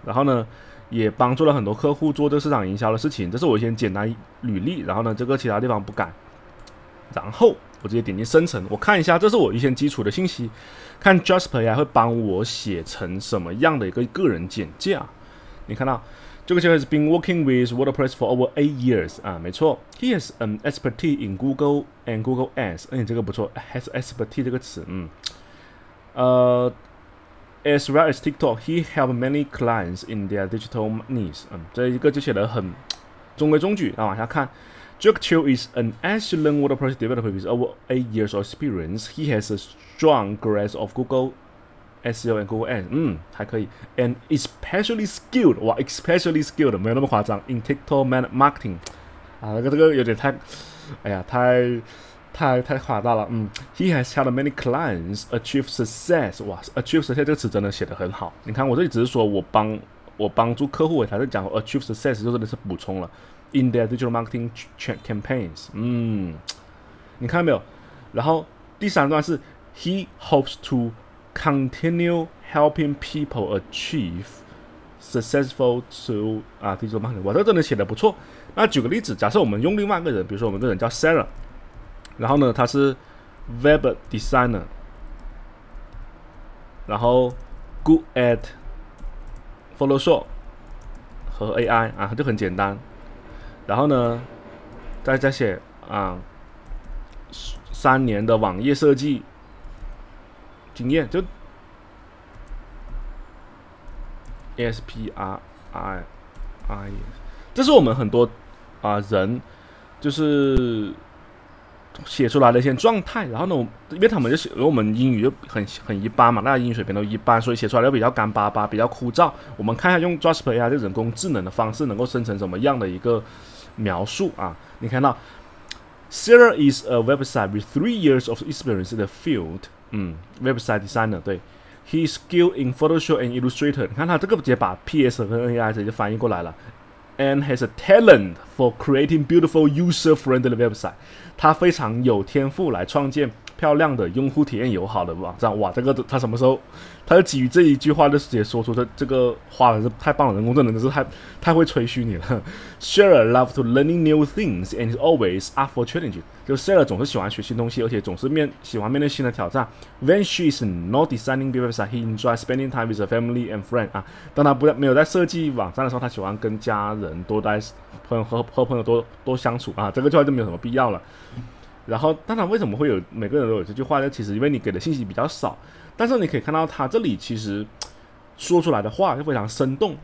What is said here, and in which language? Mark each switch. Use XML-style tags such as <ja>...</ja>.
<zh>然后呢，也帮助了很多客户做这个市场营销的事情，这是我先简单履历。然后呢，这个其他地方不改。然后我直接点击生成，我看一下，这是我一些基础的信息，看 Jasper 会帮我写成什么样的一个个人简介啊？</zh> <en>你看到这个就是 been working with WordPress for over 8 years</en> <zh>啊，没错</zh> <en>，he has an expertise in Google and Google Ads，</en> <zh>哎，这个不错</zh> <en>，has expertise 这个词，as well as TikTok， he helped many clients in their digital needs，</en> <zh>这一个就写得很中规中矩，然后往下看。</zh> <en>Jack Chu is an excellent WordPress developer with over 8 years of experience. He has a strong grasp of Google SEO and Google Ads.</en> <zh>还可以。</zh> <en>And especially skilled, 哇 ，especially skilled</en> <zh>没有那么夸张。 In TikTok marketing, 啊，这个有点太，哎呀，太夸大了。</zh> <en>He has helped many clients achieve success.</en> <zh>哇 ，</zh> <en>achieve success</en> <zh>这个词真的写得很好。你看我这里只是说我帮助客户，他在讲 achieve success 就真的是补充了。</zh> <en>In their digital marketing campaigns，</en> <zh>你看到没有？然后第三段是</zh> <en>He hopes to continue helping people achieve successful through digital marketing。</en> <zh>哇，这真的写的不错。那举个例子，假设我们用另外一个人，比如说我们这人叫 Sarah， 然后呢，他是</zh> <en>web designer，</en> <zh>然后</zh> <en>good at Photoshop</en> <zh>和 AI 啊，就很简单。然后呢，大家写啊，三年的网页设计经验，就 ESPRI， 这是我们很多啊人就是写出来的一些状态。然后呢，因为他们就是因为我们英语就很一般嘛，大家英语水平都一般，所以写出来就比较干巴巴，比较枯燥。我们看一下用 Jasper AI 这人工智能的方式能够生成什么样的一个。描述啊，你看到</zh> <en>Sarah is a website with 3 years of experience in the field， website designer， 对， he is skilled in Photoshop and Illustrator，</en> <zh>你看他这个直接把 PS 和 AI 直接翻译过来了，</zh> <en>and has a talent for creating beautiful user friendly website，</en> <zh>他非常有天赋来创建漂亮的用户体验友好的网站。哇，这个他什么时候他就基于这一句话就直接说出这个话了，是太棒了，人工智能真是太会吹嘘你了。</zh> <en>Sarah loves to learning new things and is always up for challenge，</en> <zh>就 Sarah 总是喜欢学新东西，而且总是喜欢面对新的挑战。</zh> <en>When she is not designing website, he enjoys spending time with her family and friends、啊、</en> <zh>当他没有在设计网站的时候，他喜欢跟家人多待，和朋友 多相处啊，这个句话就没有什么必要了。然后当然为什么会有每个人都有这句话呢？其实因为你给的信息比较少，但是你可以看到他这里其实说出来的话就非常生动。</zh>